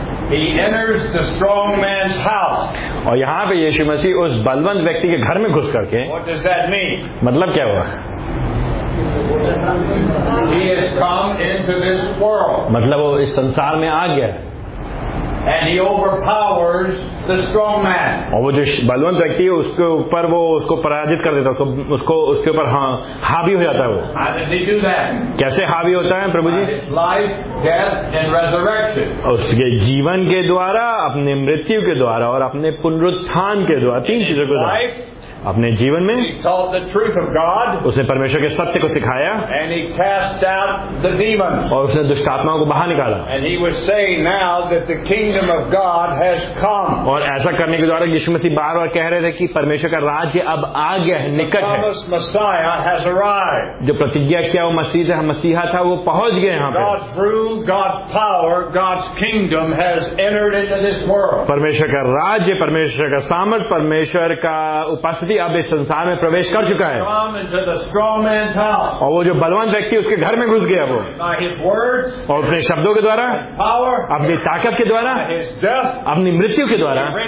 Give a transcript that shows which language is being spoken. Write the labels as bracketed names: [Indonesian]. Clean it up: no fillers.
[English] He enters the strong man's house. [Hindi] और यहाँ पे यीशु मसीह उस बलवंत व्यक्ति के घर में घुस करके. [English] What does that mean? [Hindi] मतलब क्या हुआ? [English] He has come into this world. [Hindi] मतलब वो इस संसार में आ गया. [English] And he overpowers the strong man. [Hindi] और वो जो बलवंत व्यक्ति है उसके ऊपर वो उसको पराजित कर देता है, उसको उसके ऊपर हावी हो जाता है वो. [English] How does he do that? [Hindi] कैसे हावी होता है प्रभु जी? [English] Life, death, and resurrection. [Hindi] उसके जीवन के द्वारा, अपने मृत्यु के द्वारा और अपने पुनरुत्थान के द्वारा, तीन चीजों के द्वारा. अपने जीवन में [English] he taught the truth of God, [Hindi] उसने परमेश्वर के सत्य को सिखाया. [English] And he cast out the demon. [Hindi] और उसने दुष्ट आत्माओं को बाहर निकाला. [English] And he was saying now that the kingdom of God has come. [Hindi] और ऐसा करने के द्वारा यीशु मसीह बार बार कह रहे थे कि परमेश्वर का राज्य अब आ गया है, निकट है. [English] The promised Messiah has arrived. [Hindi] जो प्रतिज्ञा किया वो मसीह है, मसीहा था, वो पहुंच गए यहाँ पे. [English] God's rule, God's power, God's kingdom has entered into this world. [Hindi] परमेश्वर का राज्य, परमेश्वर का सामर्थ्य, परमेश्वर का उपस्थित अब इस संसार में प्रवेश कर चुका है. और वो जो बलवान व्यक्ति उसके घर में घुस गया वो. और अपने शब्दों के द्वारा, अपनी ताकत के द्वारा, अपनी मृत्यु के द्वारा.